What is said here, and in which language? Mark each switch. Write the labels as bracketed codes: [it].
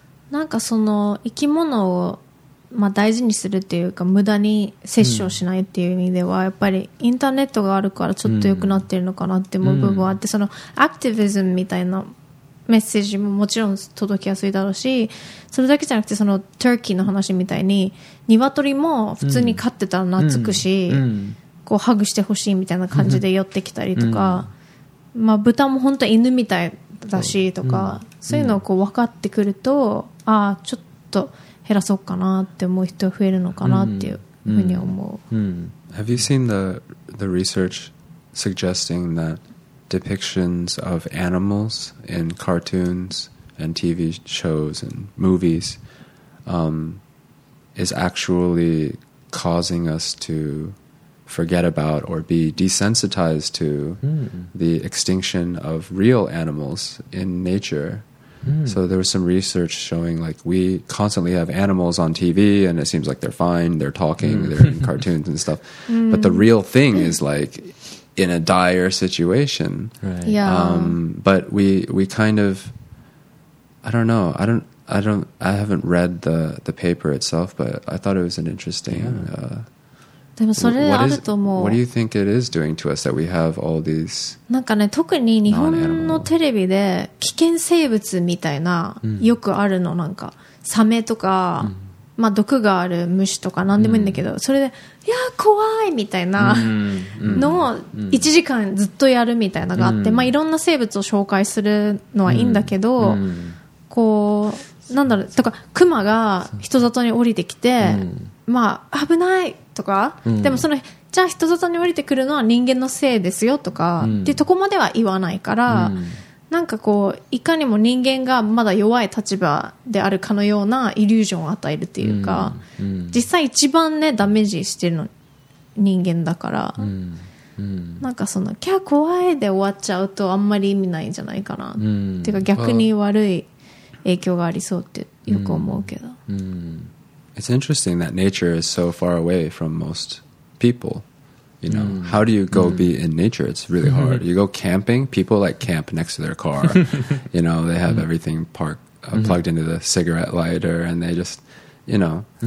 [ja] なんかその生き物をまあ大事にするっていうか無駄に摂取をしないっていう意味ではやっぱりインターネットがあるからちょっと良くなってるのかなって思う部分はあって、そのアクティビズムみたいなメッセージももちろん届きやすいだろうし、それだけじゃなくてそのターキーの話みたいに鶏も普通に飼ってたら懐くし、うん、こうハグしてほしいみたいな感じで寄ってきたりとか、うん、まあ豚も本当犬みたいだしとか、うん、そういうのをこう分かってくると、ああちょっと減らそうかなって思う人増えるのかなっていうふうに思う、うんうん、 [en] Have you seen the research suggesting thatDepictions of animals in cartoons and TV shows and movies is actually causing us to forget about or be desensitized to the extinction of real animals in nature. Mm. So there was some research showing like we constantly have animals on TV and it seems like they're fine, they're talking, they're in cartoons and stuff. But the real thing is like... in a dire situation. Right. Yeah. But we kind of, I don't know. I haven't read the paper itself, but I thought it was an interesting, [ja] でもそれあると思う。 [en] What do you think it is doing to us that we have all these [ja] なんかね、特に日本のテレビで危険生物みたいな、よくあるの、なんか、サメとか、まあ、毒がある虫とか何でもいいんだけど、うん、それでいや怖いみたいなのを1時間ずっとやるみたいなのがあって、うん、まあ、いろんな生物を紹介するのはいいんだけど、うん、こうなんだろう、とかクマが人里に降りてきて、うん、まあ危ないとか、うん、でもそのじゃあ人里に降りてくるのは人間のせいですよとか、うん、っていうとこまでは言わないから、うん、なんかこういかにも人間がまだ弱い立場であるかのようなイリュージョンを与えるっていうか、うんうん、実際一番ねダメージしてるの人間だから、うんうん、なんかそのキャ怖いで終わっちゃうとあんまり意味ないんじゃないかな、うん、っていうか逆に悪い影響がありそうってよく思うけど、うんうん、 [en] It's interesting that nature is so far away from most peopleYou know, mm. how do you go be in nature? It's really hard. You go camping, people like camp next to their car. You know, they have everything plugged into the cigarette lighter and they just, you know.